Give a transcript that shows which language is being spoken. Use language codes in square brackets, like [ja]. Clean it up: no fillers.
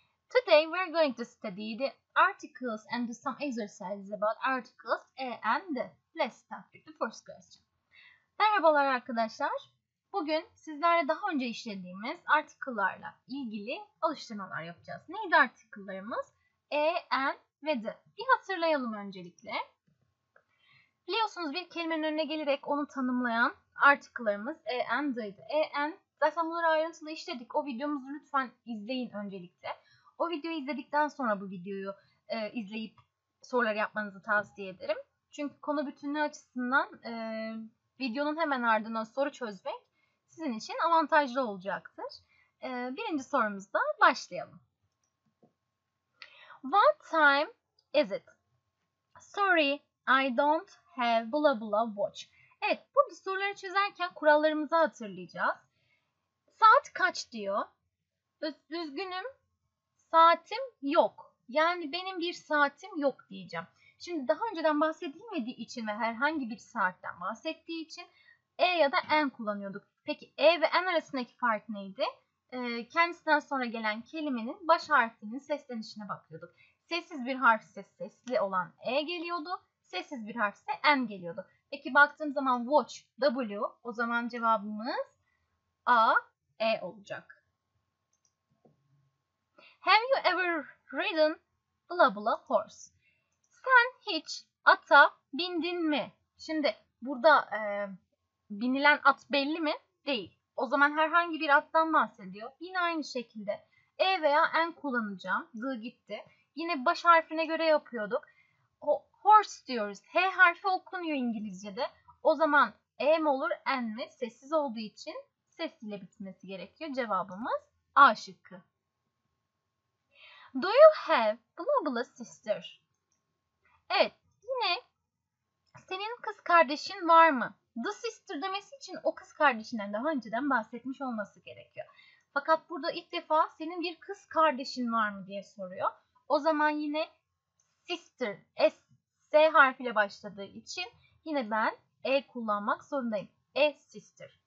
[en] Today we are going to study the articles and do some exercises about articles and the. Let's start with the first question. [tr] Merhabalar arkadaşlar. Bugün sizlerle daha önce işlediğimiz artikellerle ilgili alıştırmalar yapacağız. Neydi artikellerimiz? E, and ve the. Bir hatırlayalım öncelikle. Biliyorsunuz bir kelimenin önüne gelerek onu tanımlayan artikellerimiz e, and, the'ydı. E, and zaten bunları ayrıntılı işledik. O videomuzu lütfen izleyin öncelikle. O videoyu izledikten sonra bu videoyu izleyip soruları yapmanızı tavsiye ederim. Çünkü konu bütünlüğü açısından videonun hemen ardından soru çözmek sizin için avantajlı olacaktır. Birinci sorumuzda başlayalım. [en] What time is it? Sorry, I don't have blah blah watch. [tr] Evet, burada soruları çözerken kurallarımızı hatırlayacağız. Saat kaç diyor. Üzgünüm, saatim yok. Yani benim bir saatim yok diyeceğim. Şimdi daha önceden bahsedilmediği için ve herhangi bir saatten bahsettiği için e ya da en kullanıyorduk. Peki e ve en arasındaki fark neydi? Kendisinden sonra gelen kelimenin baş harfinin seslenişine bakıyorduk. Sessiz bir harf ise sesli olan e geliyordu. Sessiz bir harf ise en geliyordu. Peki baktığım zaman watch, w, o zaman cevabımız a, e olacak. [en] Have you ever ridden blah blah horse? [tr] Sen hiç ata bindin mi? Şimdi burada binilen at belli mi? Değil. O zaman herhangi bir attan bahsediyor. Yine aynı şekilde e veya en kullanacağım. The gitti. Yine baş harfine göre yapıyorduk. Horse diyoruz. H harfi okunuyor İngilizce'de. O zaman e mi olur, en mi? Sessiz olduğu için sesiyle bitmesi gerekiyor. Cevabımız A şıkkı. [en] Do you have blah blah sister? [tr] Evet, yine senin kız kardeşin var mı? The sister demesi için o kız kardeşinden daha önceden bahsetmiş olması gerekiyor. Fakat burada ilk defa senin bir kız kardeşin var mı diye soruyor. O zaman yine sister, S, S harfiyle başladığı için yine ben E kullanmak zorundayım. E sister.